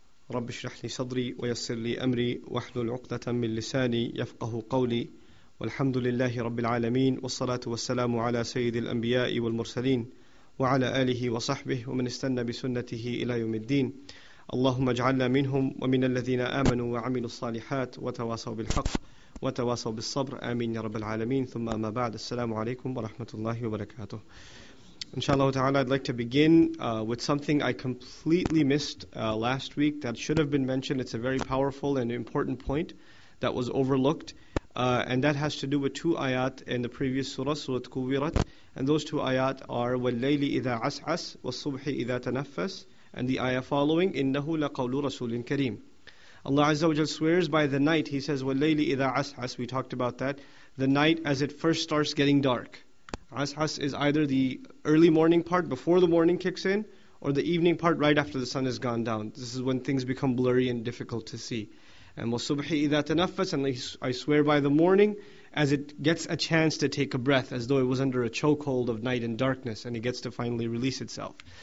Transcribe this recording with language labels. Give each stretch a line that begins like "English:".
Arabic: رب اشرح لي صدري ويسر لي أمري واحلل عقدة من لساني يفقه قولي والحمد لله رب العالمين والصلاة والسلام على سيد الأنبياء والمرسلين وعلى آله وصحبه ومن استنى بسنته إلى يوم الدين اللهم اجعلنا منهم ومن الذين آمنوا وعملوا الصالحات وتواصوا بالحق وتواصوا بالصبر آمين يا رب العالمين ثم أما بعد السلام عليكم ورحمة الله وبركاته.
English: Inshallah ta'ala, I'd like to begin with something I completely missed last week that should have been mentioned. It's a very powerful and important point that was overlooked. And that has to do with two ayat in the previous surah, Surah Kuwirat. And those two ayat are
Arabic: وَاللَّيْلِ إِذَا عَسْعَسْ وَالصُّبْحِ إِذَا تَنَفَّسْ
English: and the ayah following
Arabic: إِنَّهُ لَقَوْلُ رَسُولٍ كَرِيمٍ.
English: Allah Azza wa Jalla swears by the night, he says
Arabic: وَاللَّيْلِ إِذَا عَسْعَسْ,
English: we talked about that, the night as it first starts getting dark. Ashas is either the early morning part before the morning kicks in, or the evening part right after the sun has gone down. This is when things become blurry and difficult to see. And
Arabic: وَصُبْحِ إِذَا تَنَفَّسْ,
English: and I swear by the morning, as it gets a chance to take a breath, as though it was under a chokehold of night and darkness, and it gets to finally release itself.